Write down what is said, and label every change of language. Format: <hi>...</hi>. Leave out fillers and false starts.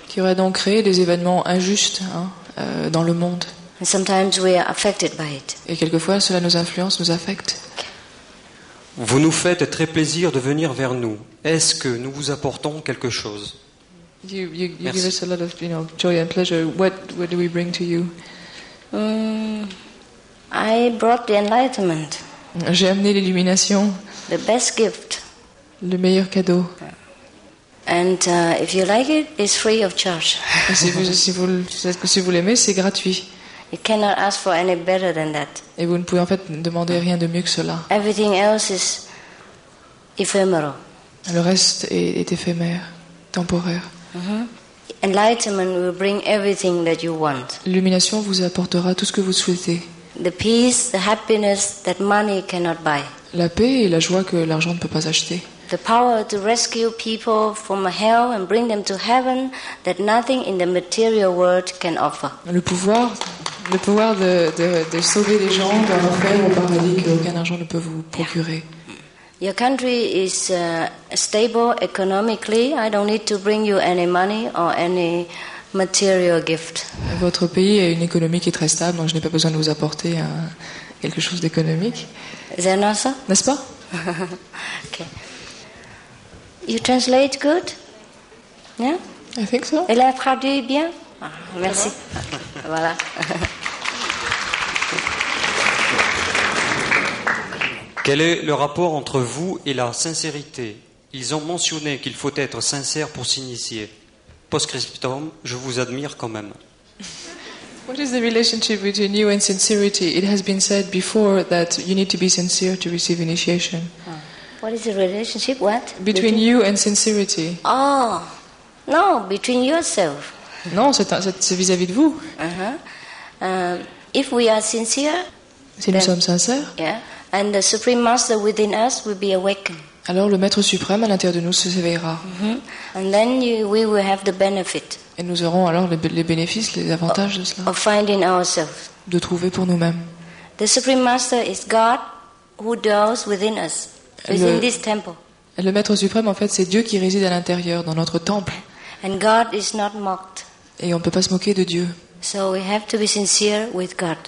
<fr>Qui aurait donc créé des événements injustes dans le monde.</fr> <en>And sometimes we are affected by it.</en> <fr>Et quelquefois cela nous influence, nous affecte. Vous nous faites très plaisir de venir vers nous. Est-ce que nous vous apportons quelque chose?</fr> <en>You give us a lot of joy and pleasure. What do we bring to you? I brought the enlightenment.</en> <fr>J'ai amené l'illumination.</fr> <en>The best gift.</en> <fr>Le meilleur cadeau.</fr> <en>And if you like it, it's free of charge.</en> <fr>Si vous l'aimez, c'est gratuit.</fr> <en>You cannot ask for any better than that.</en> <fr>Et vous ne pouvez en fait demander rien de mieux que cela.</fr> <en>Everything else is ephemeral.</en> <fr>Le reste est éphémère, temporaire.</fr> <en>Mm-hmm. Enlightenment will bring everything that you want.</en> <fr>L'illumination vous apportera tout ce que vous souhaitez.</fr> <en>The peace, the happiness that money cannot buy.</en> <fr>La paix et la joie que l'argent ne peut pas acheter.</fr> <en>The power to rescue people from hell and bring them to heaven that nothing in the material world can offer.</en> <fr>Le pouvoir de sauver les gens vers l'enfer ou paradis que aucun argent ne peut vous procurer.</fr> <en>Yeah. Your country is stable economically. I don't need to bring you any money or any material gift.</en> <fr>Votre pays a une économie qui est très stable, donc je n'ai pas besoin de vous apporter quelque chose d'économique.</fr> <en>Then also?</en> <fr>N'est-ce pas?</fr> <en>Okay. You translate good? Yeah? I think so.</en> <fr>Elle a traduit bien? Ah, merci. Voilà. Quel est le rapport entre vous et la sincérité? Ils ont mentionné qu'il faut être sincère pour s'initier. Post-scriptum, je vous admire quand même.</fr> <en>What is the relationship between you and sincerity? It has been said before that you need to be sincere to receive initiation. What is the relationship? What? Between you and sincerity. Oh, no, between yourself.</en> <fr>Non, c'est vis-à-vis de vous.</fr> <en>Uh-huh. If we are sincere,</en> <fr>si nous sommes sincères,</fr> <en>yeah, and the Supreme Master within us will be awakened.</en> <fr>Alors le Maître Suprême à l'intérieur de nous se réveillera.</fr> <en>Mm-hmm. And then we will have the benefit.</en> <fr>Et nous aurons alors les bénéfices, les avantages de cela.</fr> <en>Of finding ourselves.</en> <fr>De trouver pour nous-mêmes.</fr> <en>The Supreme Master is God who dwells within us. Within this temple.</en> <fr>Le Maître Suprême, en fait, c'est Dieu qui réside à l'intérieur, dans notre temple.</fr> <en>And God is not mocked.</en> <fr>Et on ne peut pas se moquer de Dieu.</fr> <en>So we have to be sincere with God.</en>